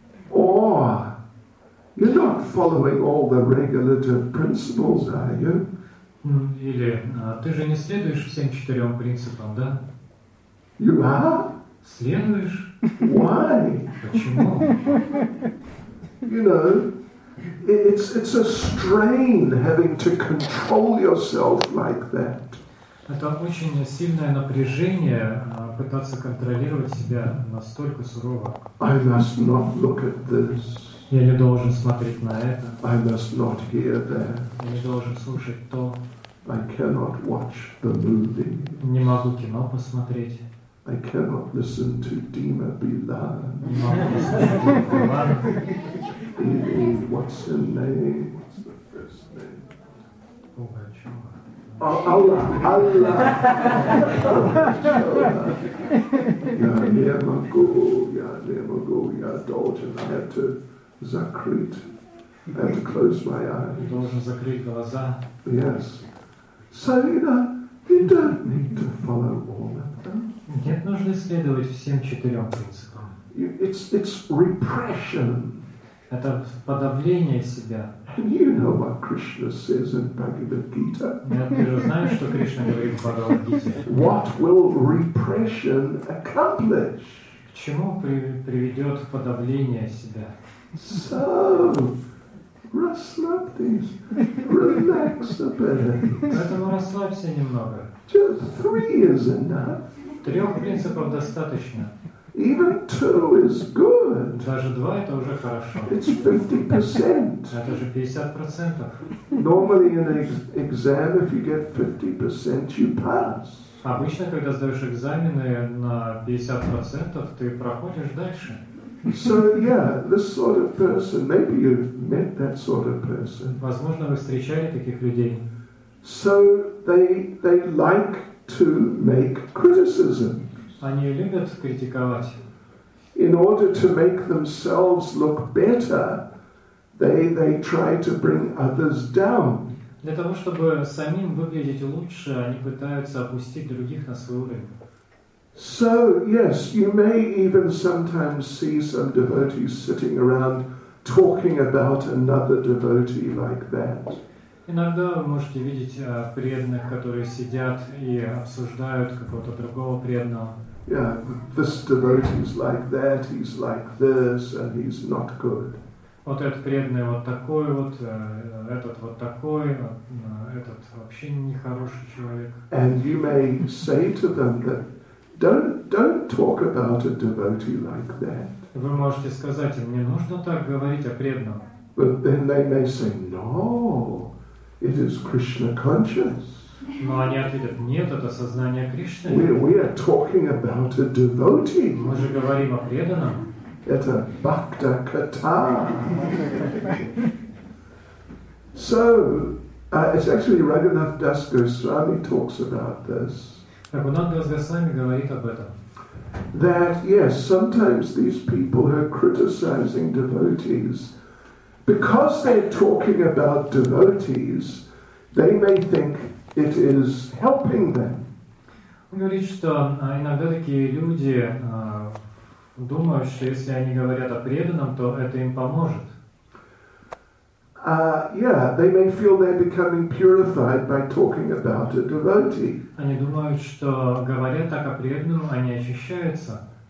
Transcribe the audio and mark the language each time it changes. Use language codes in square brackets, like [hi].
[en] Or you're not following all the regulative principles, are you? [ru] Или ты же не следуешь всем четырем принципам, да? [en] You are? [ru] Следуешь? [en] Why? [ru] Почему? [en] You know, it's a strain having to control yourself like that. [ru] Это очень сильное напряжение пытаться контролировать себя настолько сурово. [en] I must not look at this. [ru] Я не должен смотреть на это. [en] I must not hear that. [ru] Я не должен слушать то. [en] I cannot watch the movie. [ru] Не могу кино посмотреть. [en] I cannot listen to Dima Bilan. [ru] Не могу послушать Дима Билан. Или [en] what's her name? What's the first name? [ru] Пугачёва. Аллах. Я не могу, я должен это. Закрыть глаза. [en] Yes. So you don't need to follow all of them. [ru] Нет, нужно следовать всем четырем принципам. [en] It's repression. [ru] Это подавление себя. [en] And you know what Krishna says in Bhagavad Gita. [ru] Нет, ты же знаешь, что Кришна говорит в Бхагавад Гите. [en] What will repression accomplish? [ru] К чему приведет подавление себя? [en] So, relax this. Relax a bit. [ru] Поэтому расслабься немного. [en] Just three is enough. [ru] Трех принципов достаточно. [en] Even two is good. [ru] Даже два – это уже хорошо. [en] It's 50%. [ru] Это же 50%. [en] Normally in an exam, if you get 50%, you pass. [ru] Обычно, когда сдаешь экзамены на 50%, ты проходишь дальше. [en] So yeah, this sort of person. Maybe you've met that sort of person. [ru] Возможно, вы встречали таких людей. [en] So they like to make criticism. [ru] Они любят критиковать. [en] In order to make themselves look better, they try to bring others down. [ru] Для того чтобы самим выглядеть лучше, они пытаются опустить других на свой уровень. [en] So, yes, you may even sometimes see some devotees sitting around talking about another devotee like that. [ru] Иногда вы можете видеть преданных, которые сидят и обсуждают какого-то другого преданного. [en] Yeah, this devotee is like that, he's like this, and he's not good. [ru] Вот этот преданный вот такой, вот этот вот такой, этот вообще нехороший человек. [en] And you may say to them that don't talk about a devotee like that. [ru] вы можете сказать, мне нужно так говорить о преданном. [en] But then they may say, no, it is Krishna conscious. [ru] Но они ответят, нет, это сознание Кришны. [en] We are talking about a devotee. [ru] Мы же говорим о преданном. Это Бхакта Ката. [en] So, it's actually Raghunath Das Goswami talks about this. [ru] Raghunath Das Goswami говорит об этом. [en] That, yes, sometimes these people are criticizing devotees. Because they're talking about devotees, they may think it is helping them. [ru] Он говорит, что иногда такие люди думают, что если они говорят о преданном, то это им поможет. [en] Yeah, they may feel they're becoming purified by talking about a devotee. [ru] Они думают, что говоря так о преданном, они очищаются.